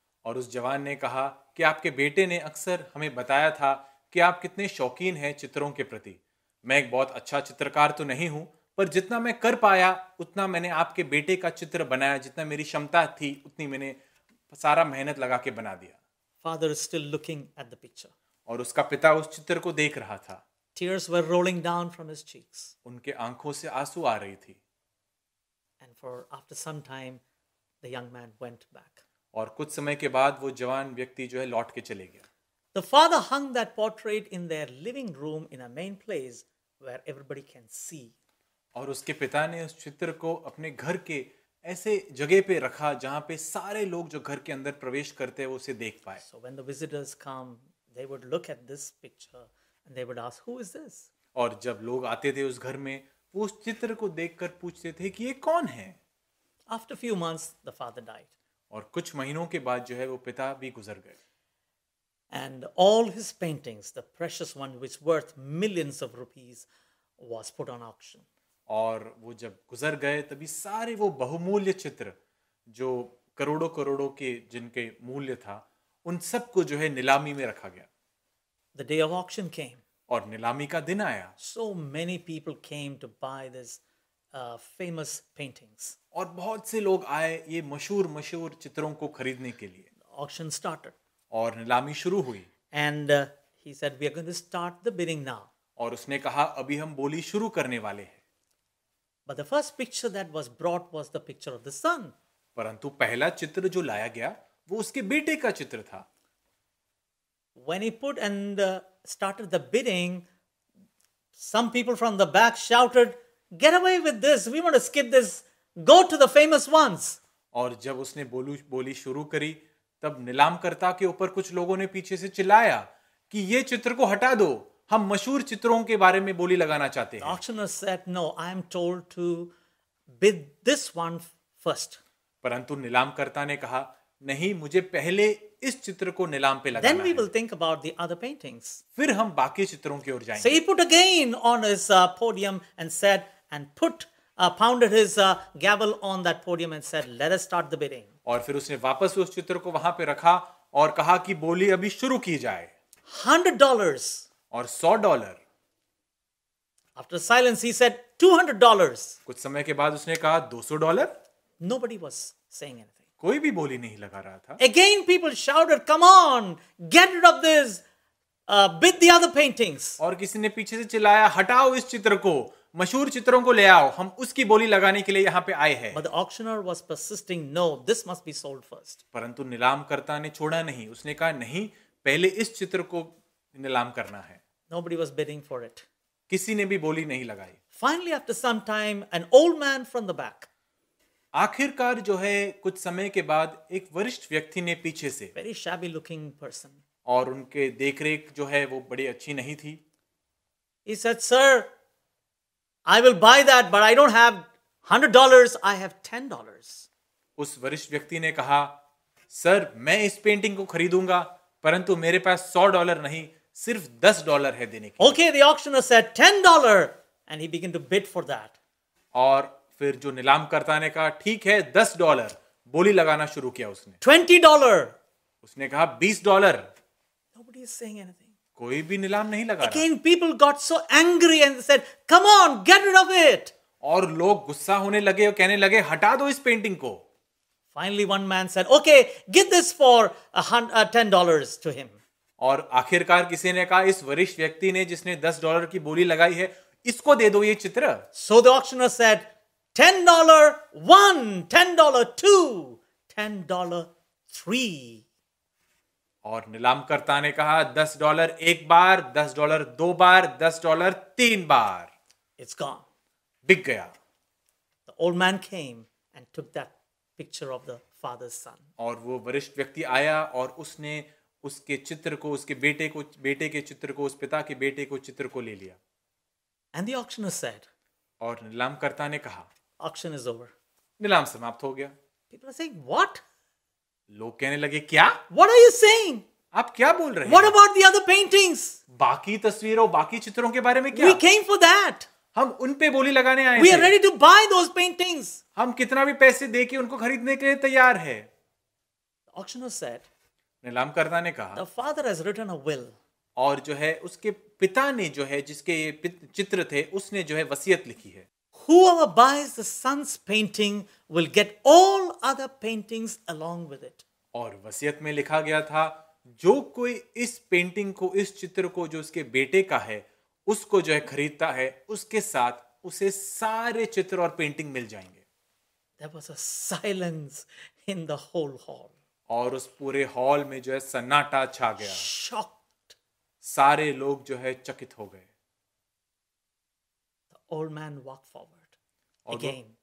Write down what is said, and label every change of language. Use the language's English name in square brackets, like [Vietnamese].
[Hindi] और उस जवान ने कहा कि आपके बेटे ने अक्सर हमें बताया था कि आप कितने शौकीन हैं चित्रों के प्रति। मैं एक बहुत अच्छा चित्रकार तो नहीं हूँ, पर जितना मैं कर पाया उतना मैंने आपके बेटे का चित्र बनाया, जितना मेरी क्षमता थी उतनी मैंने सारा मेहनत लगा के बना दिया। [English] Father is still looking at the picture. [Hindi] और उसका पिता उस चित्र को देख रहा था। [English] Tears were rolling down from his cheeks. [Hindi] उनके आंखों से आंसू आ रही थी। [English] And for after some time, the young man went back. [Hindi] और कुछ समय के बाद वो जवान व्यक्ति जो है लौट के चले गया। [English] The father hung that portrait in their living room in a main place where everybody can see. [Hindi] और उसके पिता ने उस चित्र को अपने घर के ऐसे जगह पे रखा जहां पे सारे लोग जो घर के अंदर प्रवेश करते हैं वो उसे देख पाए। [English] So when the visitors come, they would look at this picture and they would ask, "Who is this?" [Hindi] और जब लोग आते थे उस घर में, वो उस चित्र को देखकर पूछते थे कि ये कौन है? [English] After a few months, the father died. [Hindi] और कुछ महीनों के बाद जो है वो पिता भी गुजर गए। [English] And all his paintings, the precious one which worth millions of rupees, was put on auction. [Hindi] और वो जब गुजर गए तभी सारे वो बहुमूल्य चित्र जो करोड़ों करोड़ों के जिनके मूल्य था उन सब को जो है नीलामी में रखा गया। [English] The day of auction came. [Hindi] और नीलामी का दिन आया। [English] So many people came to buy this famous paintings. [Hindi] और बहुत से लोग आए ये मशहूर मशहूर चित्रों को खरीदने के लिए। [English] Auction started. [Hindi] और नीलामी शुरू हुई। [English] And he said, "We are going to start the bidding now." [Hindi] और उसने कहा, अभी हम बोली शुरू करने वाले हैं। [English] But the first picture that was brought was the picture of the son. [Hindi] परंतु पहला चित्र जो लाया गया वो उसके बेटे का चित्र था। [English] When he put and started the bidding, some people from the back shouted, "Get away with this! We want to skip this. Go to the famous ones." [Hindi] और जब उसने बोली शुरू करी, तब नीलामकर्ता के ऊपर कुछ लोगों ने पीछे से चिल्लाया कि ये चित्र को हटा दो, हम मशहूर चित्रों के बारे में बोली लगाना चाहते हैं। [English] Auctioneer said, "No, I am told to bid this one first." [Hindi] परंतु नीलामकर्ता ने कहा, नहीं, मुझे पहले इस चित्र को नीलाम पे लगाना [English] Then we will think about the other paintings. [Hindi] फिर हम बाकी चित्रों की ओर जाएंगे। [English] So he put again on his podium and said, and put pounded his gavel on that podium and said, "Let us start the bidding." [Hindi] और फिर उसने वापस उस चित्र को वहां पे रखा और कहा कि बोली अभी शुरू की जाए। [English] $100 [Hindi] और $100। [English] After silence, he said, $200. [Hindi] कुछ समय के बाद उसने कहा $200। [English] Nobody was saying anything. [Hindi] कोई भी बोली नहीं लगा रहा था। [English] Again, people shouted, "Come on, get rid of this, bid the other paintings." [Hindi] और किसी ने पीछे से चिल्लाया, हटाओ इस चित्र को, मशहूर चित्रों को ले आओ, हम उसकी बोली लगाने के लिए यहाँ पे आए हैं। [English] But the auctioneer was persisting, "No, this must be sold first." [Hindi] परंतु नीलामकर्ता ने छोड़ा नहीं, उसने कहा नहीं, पहले इस चित्र को नीलाम करना है। [English] Nobody was bidding for it. [Hindi] किसी ने भी बोली नहीं लगाई। [English] Finally, after some time, an old man from the back. [Hindi] आखिरकार जो है कुछ समय के बाद एक वरिष्ठ व्यक्ति ने पीछे से, [English] very shabby looking person, [Hindi] और उनके देखरेख जो है वो बड़ी अच्छी नहीं थी, [English] he said, "Sir, I will buy that, but I don't have $100, I have $10." [Hindi] उस वरिष्ठ व्यक्ति ने कहा, सर मैं इस पेंटिंग को खरीदूंगा परंतु मेरे पास $100 नहीं, सिर्फ $10 है देने के। [English] Okay, the auctioneer said $10 and he began to bid for that. [Hindi] और फिर जो नीलामकर्ता ने कहा ठीक है $10, बोली लगाना शुरू किया उसने। [English] $20, [Hindi] उसने कहा $20। [English] Nobody is saying anything. [Hindi] कोई भी नीलाम नहीं लगा। [English] Again, people got so angry and they said, "Come on, get rid of it." [Hindi] और लोग गुस्सा होने लगे और कहने लगे हटा दो इस पेंटिंग को। [English] Finally, one man said, "Okay, give this for $10 to him." [Hindi] और आखिरकार किसी ने कहा इस वरिष्ठ व्यक्ति ने जिसने $10 की बोली लगाई है इसको दे दो ये चित्र। [English] So the auctioneer said, $10, one, $10, two, $10, three. [Hindi] और नीलामकर्ता ने कहा $10 एक बार, $10 दो बार, $10 तीन बार। [English] It's gone. [Hindi] बिक गया। [English] The old man came and took that picture of the father's son. [Hindi] और वो वरिष्ठ व्यक्ति आया और उसने उसके चित्र को, उसके बेटे को, बेटे के चित्र को, उस पिता के बेटे को चित्र को ले लिया। [English] And the auctioneer said. [Hindi] और नीलामकर्ता ने कहा, [English] Auction is over. [Hindi] निलाम समाप्त हो गया। [English] People are saying, "What?" [Hindi] लोग कहने लगे क्या? [English] What are you saying? [Hindi] आप क्या बोल रहे हैं? [English] What about the other paintings? [Hindi] बाकी तस्वीरों, बाकी चित्रों के बारे में क्या? [English] We came for that. [Hindi] हम उन पे बोली लगाने आए। [English] We are ready to buy those paintings. [Hindi] हम कितना भी पैसे देके उनको खरीदने के लिए तैयार हैं। [English] Auctioneer said. [Hindi] नीलामकर्ता ने कहा। [English] The father has written a will. [Hindi] और जो है उसके पिता ने जो है जिसके ये चित्र थे उसने जो है वसीयत लिखी है। [English] Whoever buys the son's painting will get all other paintings along with it. [Hindi] और वसीयत में लिखा गया था, जो कोई इस पेंटिंग को, इस चित्र को जो उसके बेटे का है, उसको जो है खरीदता है, उसके साथ उसे सारे चित्र और पेंटिंग मिल जाएंगे। [English] There was a silence in the whole hall. [Hindi] और उस पूरे हॉल में जो है सन्नाटा छा गया। [English] Shocked. [Hindi] सारे लोग जो है चकित हो गए। [English] Old man walked forward again.